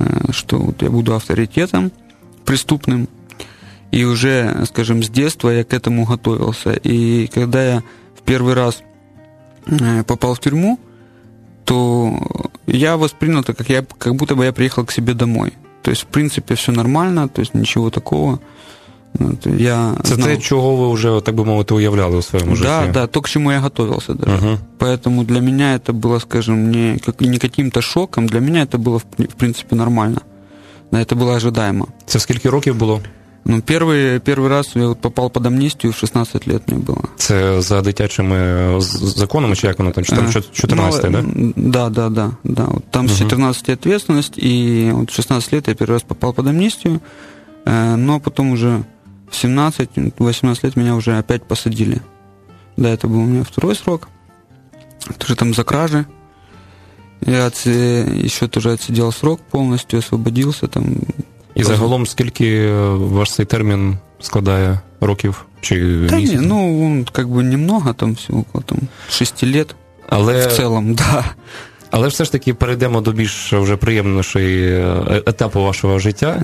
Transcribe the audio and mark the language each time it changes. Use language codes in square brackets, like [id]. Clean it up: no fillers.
[ru] что вот я буду авторитетом преступным, и уже, скажем, с детства я к этому готовился, и когда я в первый раз попал в тюрьму, то я воспринял это, как я, как будто бы я приехал к себе домой. То есть, в принципе, все нормально, то есть ничего такого. Я знал... [uk] Це те, чого ви вже, так би мовити, уявляли у своєму житті. Так, да, то, к чому я готувався [ru] даже. Uh-huh. Поэтому [uk] для мене це було, скажем, [ru] не каким-то шоком, [uk] для мене це було, в принципі, нормально. Це було [ru] ожидаемо. [uk] Це скільки років було? Ну, перший раз я попав під амністію, 16 років мені було. Це за дитячими законами, чи як воно там, 14-й, так? Так, так, так. Там uh-huh. 14-й відповідальність, і от 16 років я перший раз попав під амністію. [ru] Но потом уже в 17-18 лет меня уже опять посадили. Да, это был у меня второй срок. Тоже там за кражи. Я еще тоже отсидел срок полностью, освободился там. [uk] И загалом, скільки ваш цей термин складає років чи місяців? Та ні, [ru] ну, как бы немного, там всего около там, 6 лет. [uk] Але... [ru] в целом, да. [uk] Але все ж таки перейдемо до більш вже приємнішої етапу вашого життя.